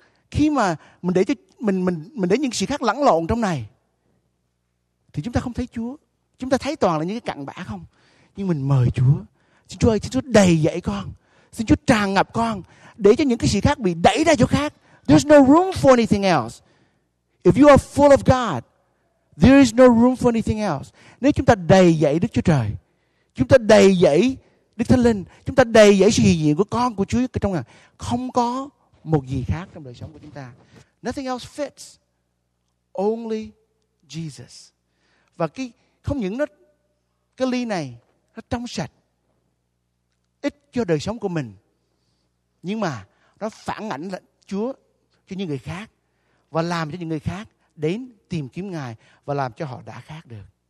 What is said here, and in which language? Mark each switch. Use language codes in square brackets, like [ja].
[vi] Khi mà mình để những sự khác lẫn lộn trong này, thì chúng ta không thấy Chúa. Chúng ta thấy toàn là những cái cặn bã không. Nhưng mình mời Chúa. Xin Chúa ơi, xin Chúa đầy dẫy con. Xin Chúa tràn ngập con. Để cho những cái sự khác bị đẩy ra chỗ khác. [en] There's no room for anything else. If you are full of God, there is no room for anything else. [vi] Nếu chúng ta đầy dẫy Đức Chúa Trời, chúng ta đầy dẫy Đức Thánh Linh, chúng ta đầy dẫy sự hiện diện của con của Chúa trong ngài, không có một gì khác trong đời sống của chúng ta. [en] Nothing else fits. Only Jesus. [vi] Và cái không những nó cái ly này nó trong sạch, ít cho đời sống của mình, nhưng mà nó phản ảnh lại Chúa cho những người khác và làm cho những người khác đến tìm kiếm ngài và làm cho họ đã khác được.